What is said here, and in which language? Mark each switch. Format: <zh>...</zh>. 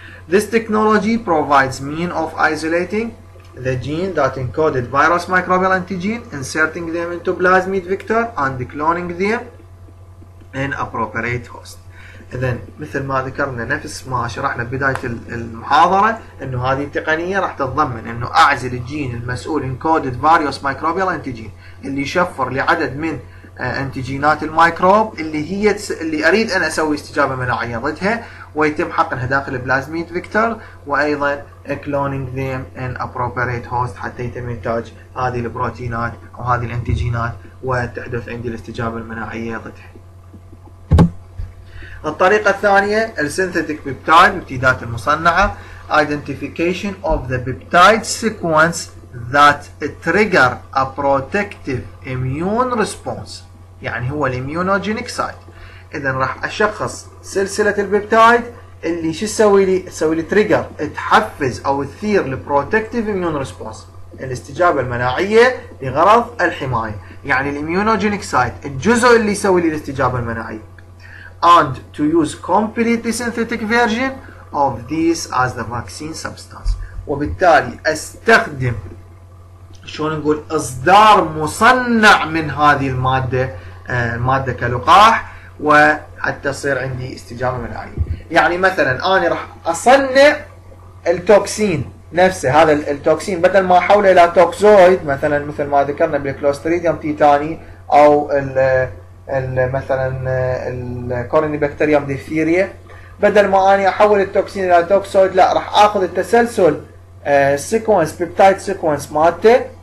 <en>This technology provides means of isolating the gene that encoded virus microbial antigen, inserting them into plasmid vector and cloning them in appropriate host.</en> <ar>إذا مثل ما ذكرنا نفس ما شرحنا بداية المحاضرة إنه هذه التقنية راح تتضمن إنه أعزل الجين المسؤول</ar> <en>encoded various microbial antigen</en> <ar>اللي يشفر لعدد من انتيجينات الميكروب اللي أريد أنا أسوي استجابة مناعية ضدها ويتم حقنها داخل البلازميد فيكتور وأيضا</ar> <en>cloning them in appropriate host</en> <ar>حتى يتم إنتاج هذه البروتينات أو هذه الانتيجينات وتحدث عندي الاستجابة المناعية ضدها. الطريقة الثانية السينثيتيك بيبتايد بيبتيدات المصنعة</ar> <en>identification of the peptide sequence that trigger a protective immune response</en> <ar>يعني هو الاميونوجينيك سايت. اذا راح اشخص سلسلة البيبتايد اللي شو تسوي لي؟ تسوي لي trigger تحفز او تثير البروتكتيف immune response الاستجابة المناعية لغرض الحماية. يعني الاميونوجينيك سايت الجزء اللي يسوي لي الاستجابة المناعية.</ar> <en>And to use completely synthetic version of this as the vaccine substance.</en> <ar>وبالتالي استخدم شلون نقول اصدار مصنع من هذه المادة كلقاح وحتى تصير عندي استجابة مناعية. يعني مثلا انا راح اصنع التوكسين نفسه هذا التوكسين بدل ما احوله الى توكسويد مثلا مثل ما ذكرنا بالكلوستريديوم تيتاني او مثلا الكوريني بكتيريوم ديفثيريا بدل ما اني احول التوكسين الى توكسويد لا راح اخذ التسلسل سيكونس بيبتايد سيكونس مالته</ar>